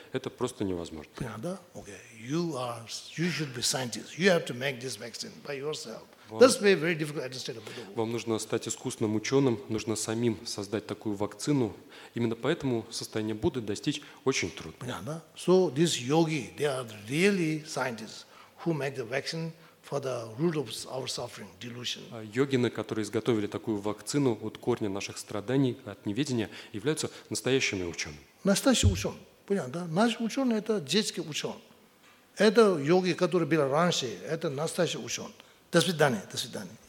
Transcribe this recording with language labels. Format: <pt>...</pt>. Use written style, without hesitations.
<ru>Это просто невозможно. Понятно?</ru> <en>Okay. You should be scientist. You have to make this vaccine by yourself. That's very difficult to understand.</en> <ru>Вам нужно стать искусным ученым. Нужно самим создать такую вакцину. Именно поэтому состояние Будды достичь очень трудно. Понятно?</ru> <en>So these yogi, they are really scientists who make the vaccine for the root of our suffering, delusion.</en> <ru>Йогины, которые изготовили такую вакцину от корня наших страданий, от неведения, являются настоящими учеными. Настоящий ученый. Понятно, да? Наш ученый – это детский ученый. Это йоги, которые были раньше, это настоящий ученый. До свидания, до свидания.</ru>